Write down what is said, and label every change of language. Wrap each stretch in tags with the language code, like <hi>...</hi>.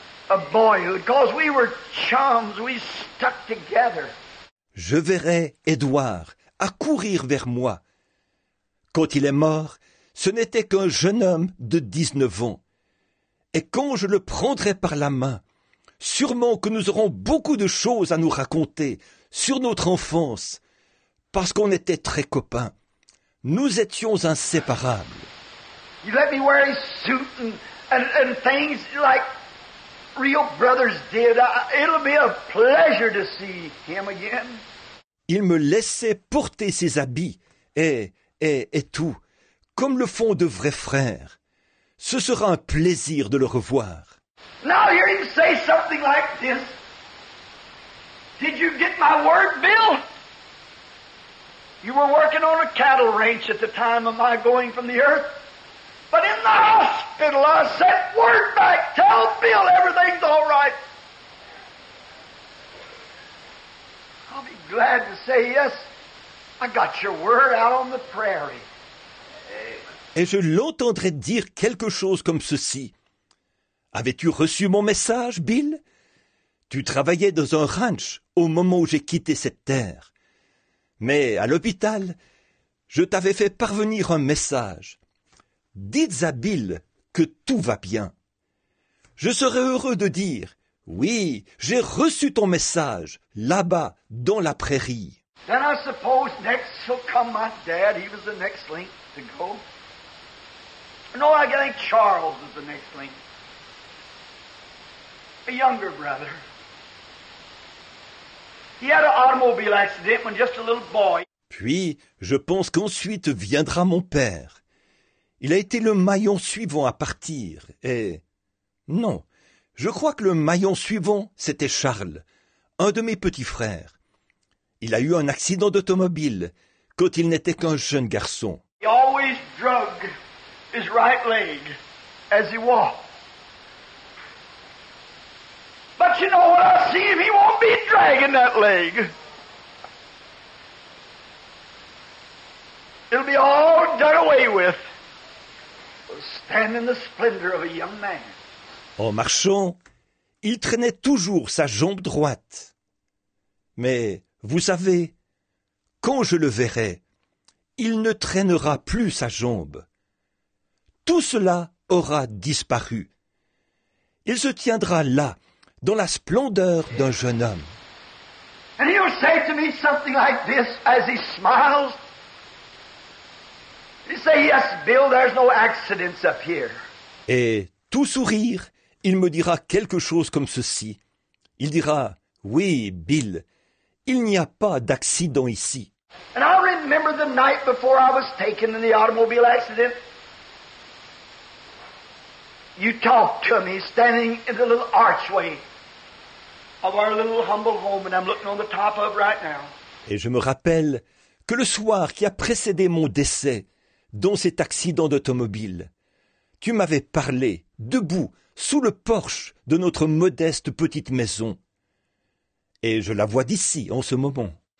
<en>A boyhood, cause we were chums, we stuck together.</en> <fr>Je verrai Edward à courir vers moi. Quand il est mort, ce n'était qu'un jeune homme de 19 ans. Et quand je le prendrai par la main, sûrement que nous aurons beaucoup de choses à nous raconter sur notre enfance, parce qu'on était très copains. Nous étions inséparables.</fr> <en>You let me wear his suit and things like real brothers did. It'll be a pleasure to see him again.</en> <fr>Il me laissait porter ses habits et tout, comme le font de vrais frères. Ce sera un plaisir de le revoir.</fr> <en>Now hear him say something like this. Did you get my word, Bill? You were working on a cattle ranch at the time of my going from the earth. But in the hospital, I sent word back. Tell Bill everything's all right. I'll be glad to say yes. I got your word out on the prairie.</en> <fr>Et je l'entendrai dire quelque chose comme ceci. Avais-tu reçu mon message, Bill? Tu travaillais dans un ranch au moment où j'ai quitté cette terre. Mais à l'hôpital, je t'avais fait parvenir un message. Dites à Bill que tout va bien. Je serai heureux de dire, oui, j'ai reçu ton message, là-bas, dans la prairie.</fr> <en>Then I suppose next will come my dad, he was the next link to go. No, I think Charles is the next link. A younger brother. He had an automobile accident when just a little boy.</en> <fr>Puis, je pense qu'ensuite viendra mon père. Il a été le maillon suivant à partir, et... Non, je crois que le maillon suivant, c'était Charles, un de mes petits frères. Il a eu un accident d'automobile quand il n'était qu'un jeune garçon.</fr> <en>He always drug his right leg as he walked. But you know what I see him, he won't be dragging that leg. It'll be all done away with. Stand in the splendor of a young man.</en> <fr>En marchant, il traînait toujours sa jambe droite. Mais vous savez, quand je le verrai, il ne traînera plus sa jambe. Tout cela aura disparu. Il se tiendra là, dans la splendeur d'un jeune homme.</fr> <en>And he'll say to me something like this as he smiles. He say, yes, Bill, there's no accidents up here.</en> <fr>Et tout sourire, il me dira quelque chose comme ceci. Il dira, oui, Bill, il n'y a pas d'accident ici.</fr> <en>And I remember the night before I was taken in the automobile accident. You talked to me standing in the little archway of our little humble home, and I'm looking on the top of right now.</en> <fr>Et je me rappelle que le soir qui a précédé mon décès, dans cet accident d'automobile, tu m'avais parlé, debout, sous le porche de notre modeste petite maison. Et je la vois d'ici, en ce moment.</fr>